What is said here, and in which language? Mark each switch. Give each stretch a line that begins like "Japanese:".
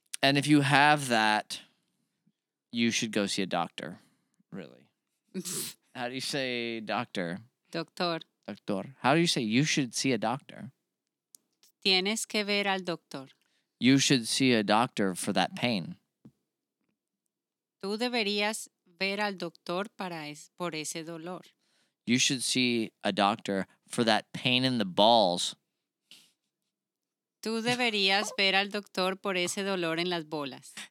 English: And if you have that, you should go see a doctor. Really. How do you say doctor? Doctor. Doctor. How do you say you should see a doctor?
Spanish: Tienes que ver al doctor.
English: You should see a doctor for that pain.
Spanish: Tú deberías ver al doctor por ese dolor.
English: You should see a doctor for that pain in the balls.
Spanish: Tú deberías ver al doctor por ese dolor en las bolas.